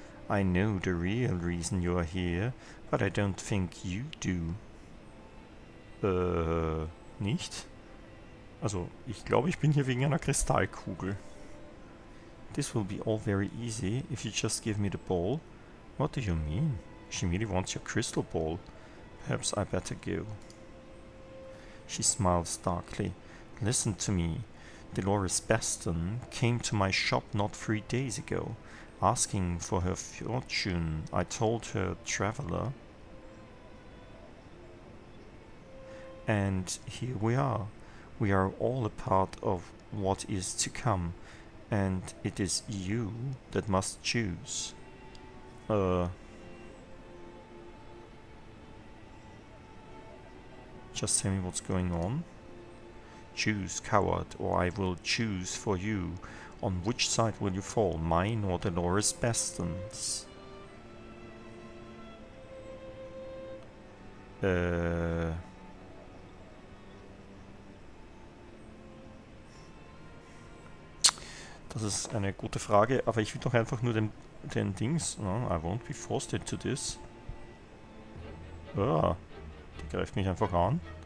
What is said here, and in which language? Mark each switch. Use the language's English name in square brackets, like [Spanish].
[English] I know the real reason you are here, but I don't think you do. [German] Nicht? Also, ich glaube, ich bin hier wegen einer Kristallkugel. [English] This will be all very easy if you just give me the ball. What do you mean? She really wants your crystal ball. Perhaps I better go. She smiles darkly. Listen to me. Dolores Baston came to my shop not 3 days ago, asking for her fortune. I told her traveler. And here we are. We are all a part of what is to come, and it is you that must choose. Just tell me what's going on. Choose, coward, or I will choose for you. On which side will you fall, mine or Dolores Baston's? [German] Das ist eine gute Frage, aber ich will doch einfach nur den Dings. [English] No, I won't be forced into this. [German] Ah, die greift mich einfach an.